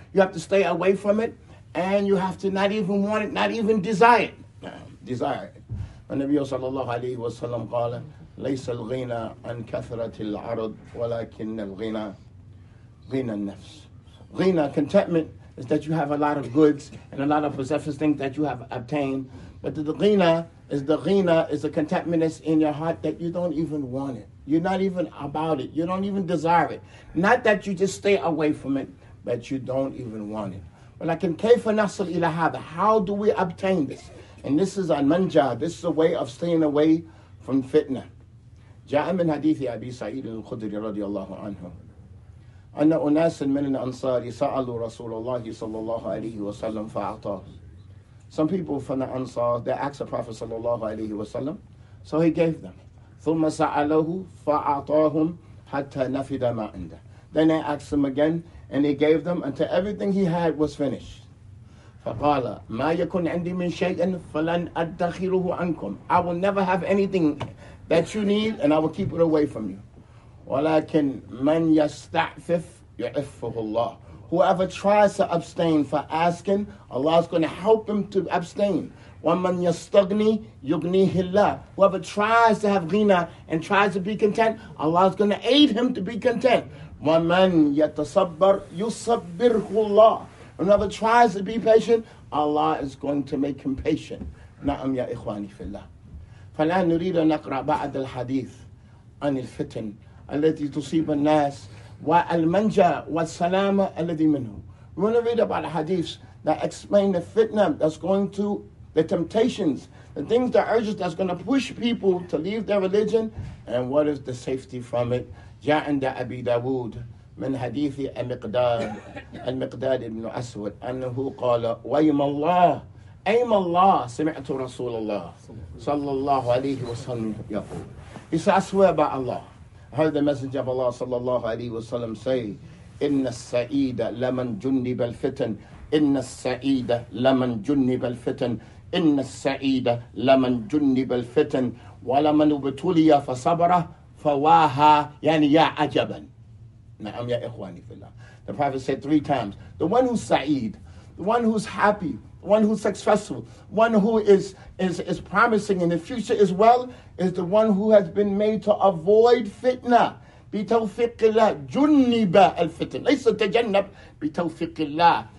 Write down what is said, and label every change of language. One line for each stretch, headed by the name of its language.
English: You have to stay away from it, and you have to not even want it, not even desire it. Desire it.
Arabic: النبي صلى الله عليه وسلم قال ليس الغنى عن كثرة العرض ولكن الغنى غنى النفس.
English: غنى, contentment, is that you have a lot of goods and a lot of possessive things that you have obtained. But the غنى is the contentment that's in your heart that you don't even want it. You're not even about it. You don't even desire it. Not that you just stay away from it, but you don't even want it.
Arabic: ولكن كيف نصل إلى هذا?
English: How do we obtain this? And this is al-manja. This is a way of staying away from fitna.
Arabic: جاء من حديث أبي سعيد الخدري رضي الله عنه أن أناس من الأنصار سألوا رسول الله صلى الله عليه وسلم فأعطاه.
English: Some people from the Ansar, they asked the Prophet صلى الله عليه وسلم, so he gave them.
Arabic: ثم سأله فأعطاهم حتى نفد ما عنده.
English: Then they asked him again, and he gave them until everything he had was finished.
Arabic: فقال ما يكون عندي من شيء فلن أدخله عنكم.
English: I will never have anything that you need, and I will keep it away from you.
Arabic: ولكن من يستعفف يعفه الله.
English: Whoever tries to abstain for asking, Allah is going to help him to abstain.
Arabic: وَمَنْ يَسْتَغْنِي يُغْنِيهِ اللَّهِ.
English: Whoever tries to have ghina and tries to be content, Allah is going to aid him to be content.
Arabic: وَمَنْ يَتَصَبَّرْ يُصَبِّرْهُ اللَّهِ.
English: Whoever tries to be patient, Allah is going to make him patient.
Arabic: نعم يا إخواني في الله. فالآن نريد أن نقرأ بعد الحديث عن الفتن التي تصيب الناس والمنجا والسلامة الذي منه.
English: We want to read about hadiths that explain the fitna that's going to the temptations, the things, the urges that's going to push people to leave their religion, and what is the safety from it.
Arabic: جاء عند أبي داود من حديث المقداد بن أسود أنه قال ويم الله أيم الله سمعت رسول الله صلى الله عليه وسلم يقول.
English: He said, I swear by Allah, I heard the Messenger of Allah صلى الله عليه وسلم say,
Arabic: إن السعيد لمن جنب الفتن, إن السعيد لمن جنب الفتن, إن السعيد لمن جنب الفتن, ولمن ابتلي فصبر فواها. يعني يا عجبا. نعم يا إخواني في الله.
English: The Prophet said three times, the one who's سعيد, the one who's happy, the one who's successful, one who is promising and the future as well, is the one who has been made to avoid fitna.
Arabic: بتوفيق الله جنب الفتن. ليس تجنب, بتوفيق الله.